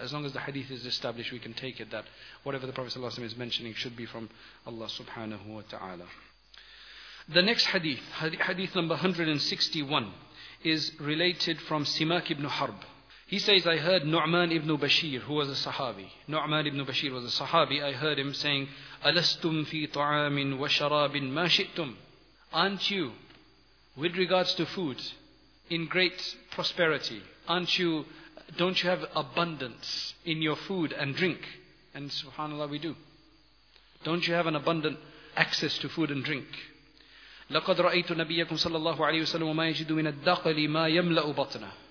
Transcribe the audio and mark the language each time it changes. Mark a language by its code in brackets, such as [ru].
[en] As long as the hadith is established, we can take it that whatever the Prophet sallallahu alaihi wasallam is mentioning should be from Allah subhanahu wa ta'ala. The next hadith number 161, is related from Simak ibn Harb. He says, I heard Nu'man ibn Bashir, who was a Sahabi. Nu'man ibn Bashir was a Sahabi. I heard him saying, [ar] أَلَسْتُمْ فِي طَعَامٍ وَشَرَابٍ مَا شِئْتُمْ. [en] Aren't you, with regards to food, in great prosperity? Aren't you, don't you have abundance in your food and drink? And subhanAllah, we do. Don't you have an abundant access to food and drink? [ar] لَقَدْ رَأَيْتُ نَبِيَّكُمْ صَلَّى اللَّهُ عَلَيْهِ وَسَلَّمُ وَمَا يَجِدُ مِنَ الدَّقَلِ مَا يَمْلَأُ بَطْنَهُ.